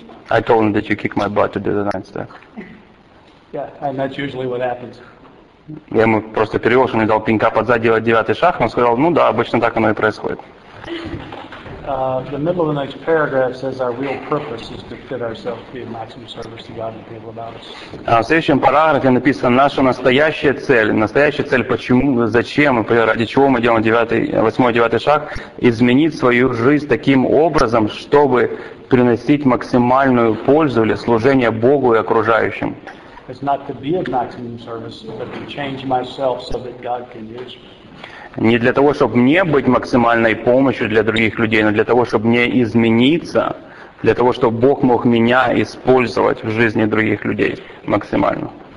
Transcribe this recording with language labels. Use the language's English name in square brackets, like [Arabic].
[English] I told him that you kicked my butt to do the 9th step. Yeah, and that's usually what happens. [Russian] Я ему просто перевел, что он мне дал пенька под зад делать 9 шаг, он сказал, ну да, обычно так оно и происходит. [English] The middle of the next paragraph says our real purpose is to fit ourselves to be of maximum service to God and people about us. [Russian] В следующем параграфе написано наша настоящая цель, почему, зачем, ради чего мы делаем 8 и 9 шаг, изменить свою жизнь таким образом, чтобы приносить максимальную пользу или служение Богу и окружающим. [English] It's not to be of maximum service, but to change myself so that God can use me. [Russian] Не для того, чтобы мне быть максимальной помощью для других людей, но для того, чтобы мне измениться, для того, чтобы Бог мог меня использовать в жизни других людей максимально.